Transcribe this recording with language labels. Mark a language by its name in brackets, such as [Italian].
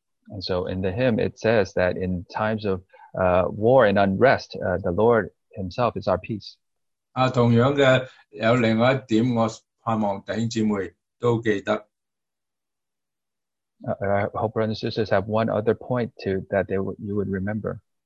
[English] And so in the hymn, it says that in times of war and unrest, the Lord Himself is our peace. [Chinese] 同样的有另外一点，我盼望弟兄姊妹都记得。 [English] I hope brothers and sisters have one other point to that they you would remember.